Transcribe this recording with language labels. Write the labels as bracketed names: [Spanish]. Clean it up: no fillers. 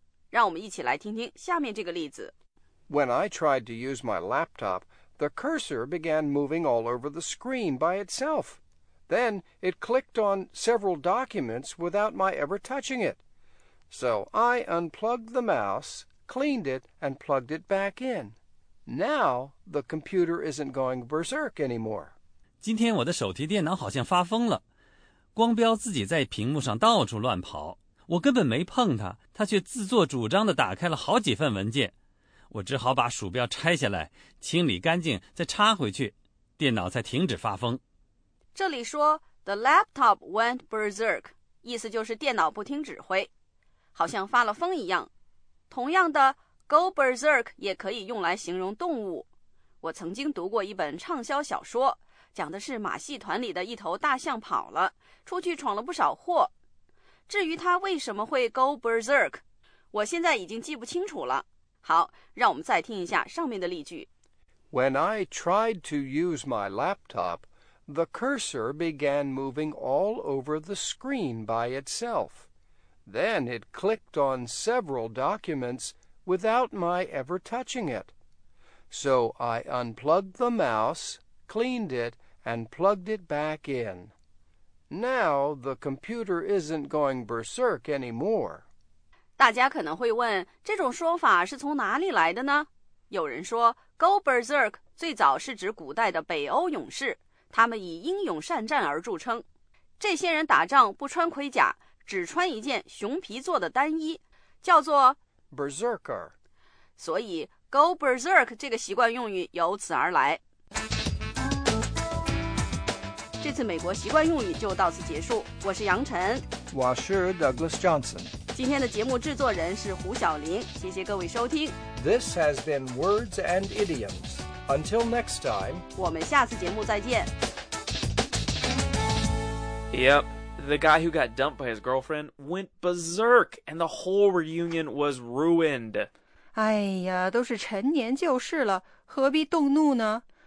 [Chinese] 让我们一起来听听下面这个例子。 [English] When I tried to use my laptop, the cursor began moving all over the screen by itself. Then it clicked on several documents without my ever touching it. So I unplugged the mouse, cleaned it, and plugged it back in. Now the computer isn't going berserk anymore. [Chinese] 今天我的手提电脑好像发疯了，光标自己在屏幕上到处乱跑，我根本没碰它，它却自作主张地打开了好几份文件，我只好把鼠标拆下来，清理干净，再插回去，电脑才停止发疯。这里说 [English] The laptop went berserk， [Chinese] 意思就是电脑不听指挥，好像发了疯一样。同样的 [English] Go berserk [Chinese] 也可以用来形容动物。我曾经读过一本畅销小说，讲的是马戏团里的一头大象跑了，出去闯了不少祸。至于它为什么会 [English] go berserk， [Chinese] 我现在已经记不清楚了。好，让我们再听一下上面的例句。 [English] When I tried to use my laptop, the cursor began moving all over the screen by itself. Then it clicked on several documents without my ever touching it. So I unplugged the mouse, cleaned it,and plugged it back in. Now the computer isn't going berserk anymore. [Chinese] 大家可能会问，这种说法是从哪里来的呢？有人说 , [English] go berserk [Chinese] 最早是指古代的北欧勇士，他们以英勇善战而著称。这些人打仗不穿盔甲，只穿一件熊皮做的单衣，叫做 [English] berserker。 [Chinese] 所以 , [English] go berserk [Chinese] 这个习惯用语由此而来。这次美国习惯用语就到此结束，我是杨晨，我是 Douglas Johnson，今天的节目制作人是胡晓玲，谢谢各位收听。 [English] This has been Words and Idioms. Until next time， [Chinese] 我们下次节目再见。 [English] Yep, the guy who got dumped by his girlfriend went berserk and the whole reunion was ruined. [Chinese] 哎呀，都是陈年旧事了，何必动怒呢？